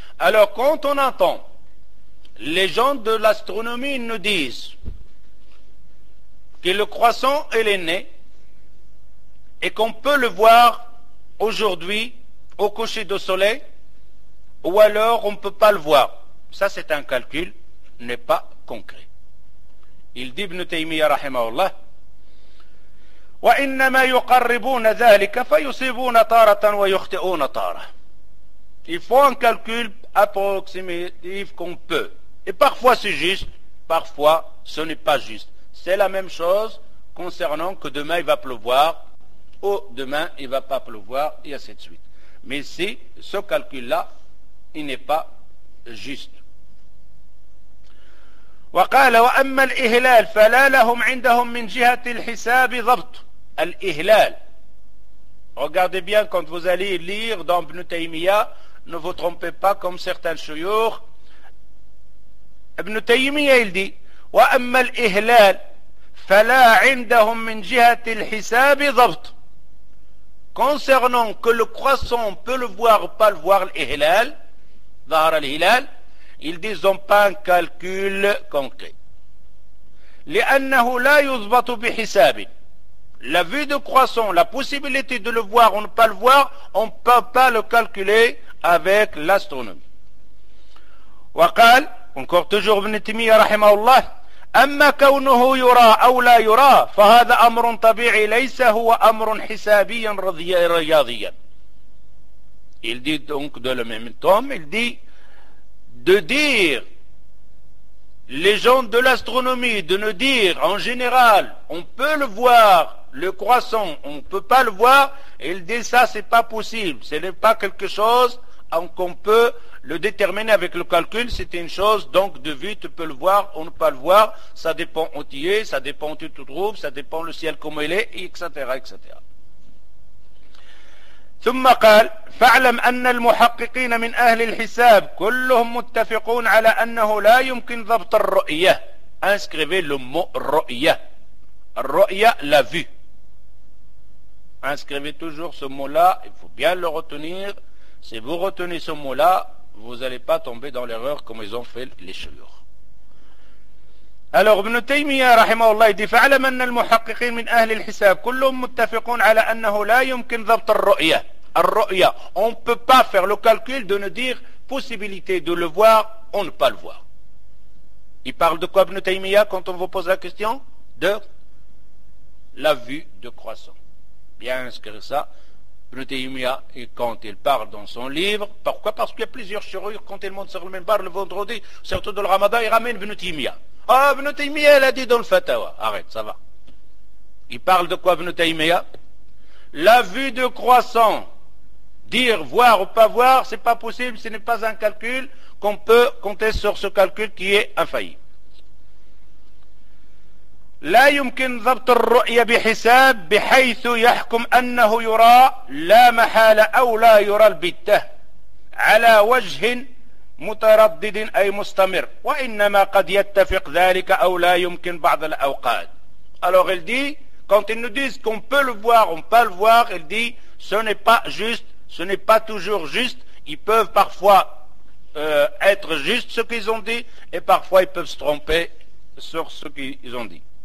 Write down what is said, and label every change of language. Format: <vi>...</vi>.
<fr>Alors, quand on entend les gens de l'astronomie nous disent que le croissant est né et qu'on peut le voir aujourd'hui au coucher du soleil, ou alors on ne peut pas le voir, ça c'est un calcul, n'est pas concret. Il dit Ibn Taymiyyah rahimahullah,</fr> <ar>وإنما يقربون ذلك فيصيبون طارة ويخطئون طارة.</ar> <fr>Il faut un calcul approximatif qu'on peut. Et parfois c'est juste, parfois ce n'est pas juste. C'est la même chose concernant que demain il va pleuvoir ou demain il ne va pas pleuvoir et ainsi de suite. Mais ici, ce calcul-là, il n'est pas juste.</fr> <ar>وقال وأما الإهلال فلا لهم عندهم من جهة الحساب ضبط الإهلال.</ar> <fr>Regardez bien quand vous allez lire dans Ibn Taymiyyah, ne vous trompez pas comme certains shuyukh. Ibn Taymiyyah il dit</fr> <ar>وأما الإهلال فلا عندهم من جهة الحساب ضبط.</ar> <fr>Concernant que le croissant peut le voir ou pas le voir l'إهلال,</fr> <ar>ظهر الهلال.</ar> <fr>Ils disent pas un calcul concret.</fr> <ar>لأنه لا يضبط بحساب.</ar> <fr>La vue de croissant, la possibilité de le voir ou ne pas le voir, on ne peut pas le calculer avec l'astronomie.</fr> <ar>وقال,</ar> <fr>encore toujours Ibn Taymiyyah rahimahullah,</fr> <ar>أما كونه يرى أو لا يرى فهذا أمر طبيعي ليس هو أمر حسابي رياضي.</ar> <fr>Il dit donc de le même temps, il dit de dire les gens de l'astronomie, de nous dire en général, on peut le voir, le croissant, on ne peut pas le voir, il dit ça, c'est pas possible, ce n'est pas quelque chose qu'on peut le déterminer avec le calcul, c'est une chose donc de vue, tu peux le voir ou ne pas le voir, ça dépend où tu es, ça dépend où tu te trouves, ça dépend le ciel comment il est, etc., etc.</fr> <ar>ثم قال فاعلم أن المحققين من أهل الحساب كلهم متفقون على أنه لا يمكن ضبط الرؤية.</ar> <fr>Inscrivez le mot رؤية. الرؤية la vue. Inscrivez toujours ce mot-là. Il faut bien le retenir. Si vous retenez ce mot-là, vous n'allez pas tomber dans l'erreur comme ils ont fait les chouyoukh. Alors Ibn Taymiyyah rahimahullah dit</fr> <ar>فعلم أن المحققين من أهل الحساب كلهم متفقون على أنه لا يمكن ضبط الرؤية. الرؤية.</ar> <fr>On ne peut pas faire le calcul de nous dire possibilité de le voir ou ne pas le voir. Il parle de quoi Ibn Taymiyyah quand on vous pose la question? De la vue de croissant. Bien inscrire ça. Ibn Taymiyyah, et quand il parle dans son livre, pourquoi? Parce qu'il y a plusieurs chirurgiens quand il monte sur le minbar le vendredi, surtout dans le ramadan, il ramène Ibn Taymiyyah. Ah, Ibn Taymiyyah, elle a dit dans le fatwa. Arrête, ça va. Il parle de quoi, Ibn Taymiyyah? La vue de croissant. Dire voir ou pas voir, ce n'est pas possible, ce n'est pas un calcul qu'on peut compter sur ce calcul qui est infaillible.</fr> <ar>لا يمكن ضبط الرؤية بحساب بحيث يحكم أنه يرى لا محالة أو لا يرى البتة على وجه متردد أي مستمر وإنما قد يتفق ذلك أو لا يمكن بعض الأوقات.</ar> <fr>Alors il dit, quand ils nous disent qu'on peut le voir, on peut le voir, il dit, ce n'est pas juste, ce n'est pas toujours juste, ils peuvent parfois être justes ce qu'ils ont dit, et parfois ils peuvent se tromper sur ce qu'ils ont dit.</fr>